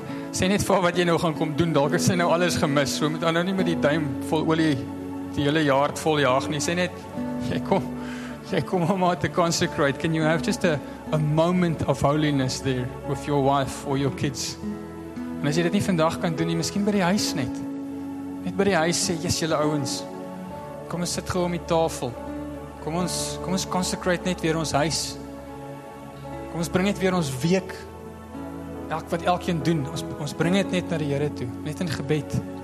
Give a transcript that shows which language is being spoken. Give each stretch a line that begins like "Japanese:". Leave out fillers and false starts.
Afrikaans: Sê net vir wat jy nou gaan kom doen. Dalk is jy nou alles gemis. So moet nou nie met die duim vol olie die hele jaar vol jaag nie. Sê net, jy kom.
English: Say, come on, Mama, to consecrate. Can you have just a moment of holiness there with your wife or your kids?
Afrikaans: En as jy dit nie vandag kan doen nie, miskien by die huis net. Net by die huis sê, yes, julle ouens, kom ons sit gewoon om die tafel. Kom ons consecrate net weer ons huis. Kom ons bring net weer ons week. Elk wat elkeen doen, ons bring het net na die Here toe, net in gebed.